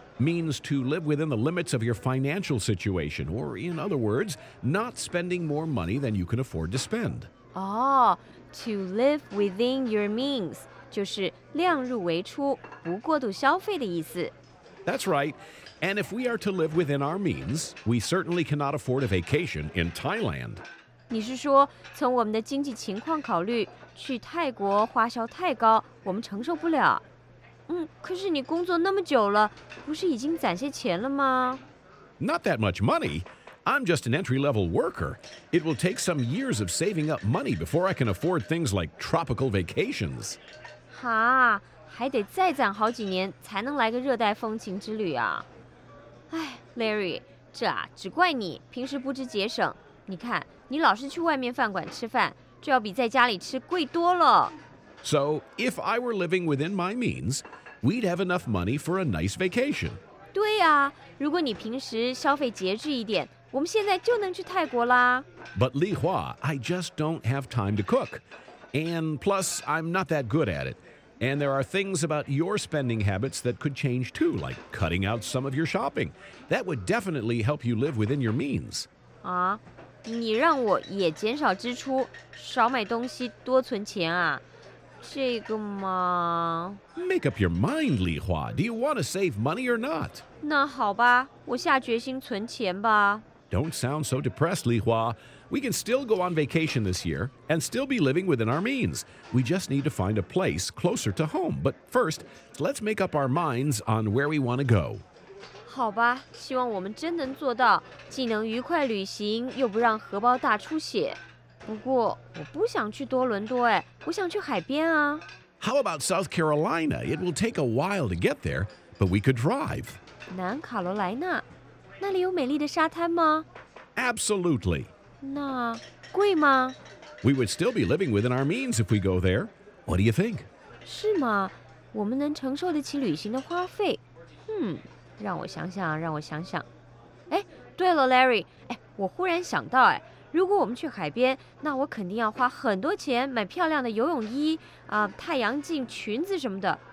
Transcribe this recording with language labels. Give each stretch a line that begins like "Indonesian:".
English: means to live within the limits of your financial situation, or in other words, not spending more money than you can afford to spend. Oh, to live within your means,
Chinese: 就是量入为出，不过度消费的意思。
English: That's right. And if we are to live within our means, we certainly cannot afford a vacation in Thailand.
Chinese: 你是说从我们的经济情况考虑，去泰国花销太高，我们承受不了。可是你工作那么久了，不是已经攒些钱了吗？
English: Not that much money. I'm just an entry-level worker. It will take some years of saving up money before I can afford things like tropical vacations.
Chinese: 哈，还得再攒好几年才能来个热带风情之旅啊。哎 ，Larry， 这啊只怪你平时不知节省。你看，你老是去外面饭馆吃饭，这要比在家里吃贵多了。
English: So, if I were living within my means, we'd have enough money for a nice vacation.
Chinese: 对啊，如果你平时消费节制一点，我们现在就能去泰国啦。
English: But Li Hua, I just don't have time to cook. And plus, I'm not that good at it. And there are things about your spending habits that could change too, like cutting out some of your shopping. That would definitely help you live within your means.
Chinese: 啊，你让我也减少支出，少买东西，多存钱啊。这个吗
English: Make up your mind, Li Hua. Do you want to save money or not?
Chinese: 那好吧，我下决心存钱吧。
English: Don't sound so depressed, Li Hua. We can still go on vacation this year and still be living within our means. We just need to find a place closer to home. But first, let's make up our minds on where we want to go.
Chinese: 好吧，希望我们真能做到，既能愉快旅行，又不让荷包大出血。不过我不想去多伦多，哎，我想去海边啊。
English: How about South Carolina? It will take a while to get there, but we could drive.
Chinese: 南卡罗来纳，那里有美丽的沙滩吗？
English: Absolutely.
Chinese: 那贵吗？
English: We would still be living within our means if we go there. What do you think?
Chinese: 是吗？我们能承受得起旅行的花费？让我想想，让我想想。哎，对了 ，Larry， 哎，我忽然想到，哎。如果我们去海边，那我肯定要花很多钱买漂亮的游泳衣啊、太阳镜、裙子什么的。